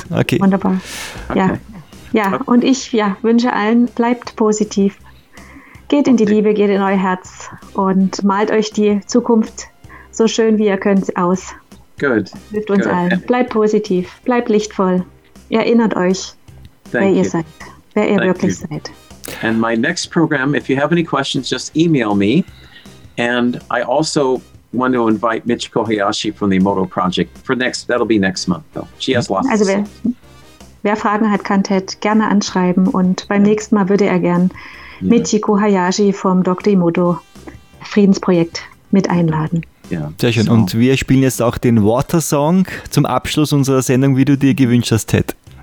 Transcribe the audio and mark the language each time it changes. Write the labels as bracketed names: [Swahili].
[German] Ja, okay. Wunderbar. Ja. Okay. Ja, und ich wünsche allen, bleibt positiv. Geht in die Liebe, geht in euer Herz und malt euch die Zukunft so schön, wie ihr könnt, aus. [English] Good. [German] Hilft uns allen. Bleibt positiv, bleibt lichtvoll. Erinnert euch, wer ihr seid, wer ihr wirklich seid. [English] And my next program, if you have any questions, just email me. And I also want to invite Mitch Kohayashi from the Emoto Project for next, that'll be next month though. She has lots. [German] Also wer Fragen hat, kann Ted gerne anschreiben und beim nächsten Mal würde er gern Michi Kohayashi vom Dr. Emoto Friedensprojekt mit einladen. Ja, sehr schön. So. Und wir spielen jetzt auch den Water Song zum Abschluss unserer Sendung, wie du dir gewünscht hast, Ted.